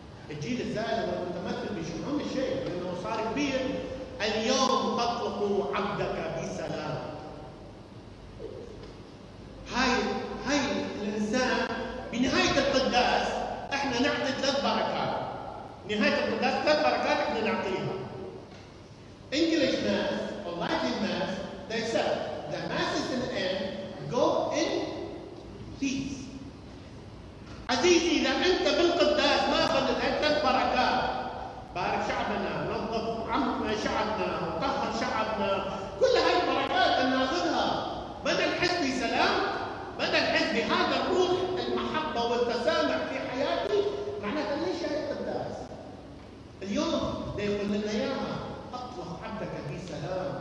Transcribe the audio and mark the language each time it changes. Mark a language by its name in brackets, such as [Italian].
[Arabic] الجيل الزائل هو المتمثل بشمعون الشيخ لانه صار كبير. اليوم تطلق عبدك بسلام. هاي الانسان بنهايه القداس احنا نعطي ثلاث بركات. نهايه القداس ثلاث بركات احنا نعطيها. [English] English mass or Latin mass, they said the mass is an end, go in peace. [Arabic] عزيزي اذا انت بالقداس ما اخذت هاي ثلاث بركات. بارك شعبنا، نظف عم شعبنا، طهر شعبنا، كل هاي البركات ناخذها. بدنا نحس بسلام، بدنا نحس بهذا الروح المحبه والتسامح في حياتي، معناتها ليش هاي القداس؟ اليوم بيقول لنا اياها اطلق عبدك في سلام.